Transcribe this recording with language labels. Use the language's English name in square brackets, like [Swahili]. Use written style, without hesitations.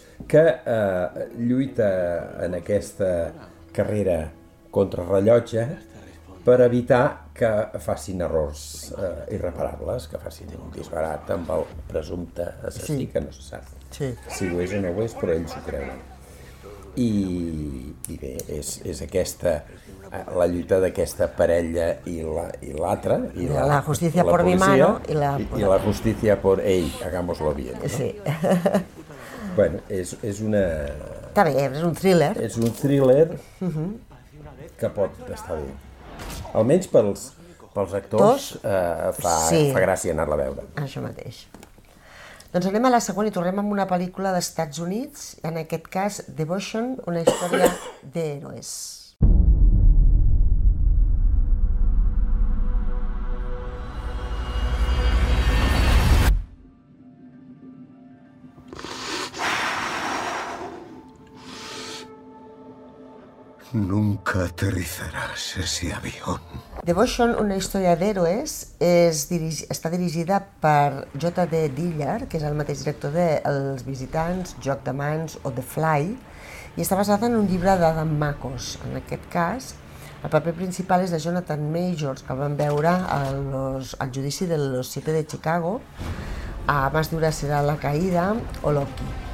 [Catalan] Que lluita en aquesta carrera contrarrellotge per evitar que facin errors irreparables, que facin un disbarat amb el presumpte assassí, sí, que no se sap. Sí. Si ho és o no ho és, però ells ho creuen. I bé, és aquesta la lluita d'aquesta parella i l'altra. [Spanish] La justícia por mi mano. [Catalan] I la justícia por ell, [Spanish] hagámoslo bien. [Catalan] No? Sí. Bueno, és una... Està bé, és un thriller. És un thriller que pot estar bé. Almenys pels actors fa gràcia anar-la a veure. Això mateix. Doncs anem a la següent i tornem amb una pel·lícula dels Estats Units, en aquest cas Devotion, una història d'héroes. [Spanish] Nunca aterrizarás ese avión. [Catalan] Devotion, una història d'héroes, està dirigida per J.D. Dillard, que és el mateix director de Els visitants, Joc de mans o The Fly, i està basada en un llibre d'Adam Makos. En aquest cas, el paper principal és de Jonathan Majors, que el vam veure al judici de Los Siete de Chicago, a Más dura serà la caída o Loki.